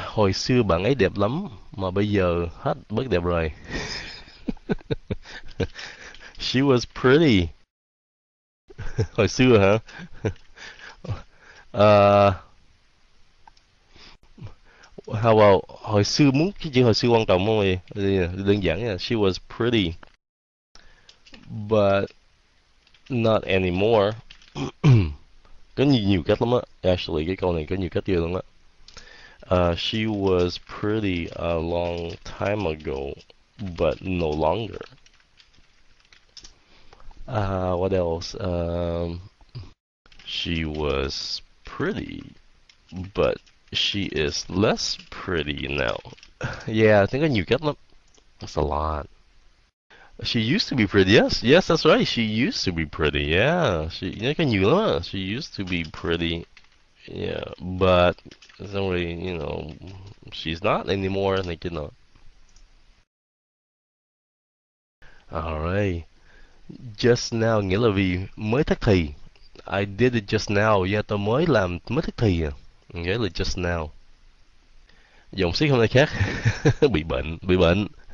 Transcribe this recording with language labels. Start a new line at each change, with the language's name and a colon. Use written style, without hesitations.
Vietnamese: Hồi xưa bạn ấy đẹp lắm mà bây giờ hết bớt đẹp rồi.
English: She was pretty.
Vietnamese: Hồi xưa hả?
English: How about
Vietnamese: hồi xưa, muốn cái chữ hồi xưa quan trọng không mày? Đơn giản nha,
English: she was pretty but not anymore.
Vietnamese: Có nhiều nhiều cách lắm á, actually cái câu này có nhiều cách chơi luôn á.
English: She was pretty a long time ago, but no longer. What else? She was pretty, but she is less pretty now. Yeah, I think I knew that. Look, that's a lot. She used to be pretty. Yes, that's right. She used to be pretty. Yeah, she can you know, she used to be pretty. Yeah, but somebody, you know, she's not anymore. I think you know. Alright, just now
Vietnamese: nghĩa là vì mới thức thì.
English: I did it just now. Yeah,
Vietnamese: tôi mới làm, mới thức thì. Nghĩa là
English: just now.
Vietnamese: Giọng sĩ hôm nay khác. bị bệnh.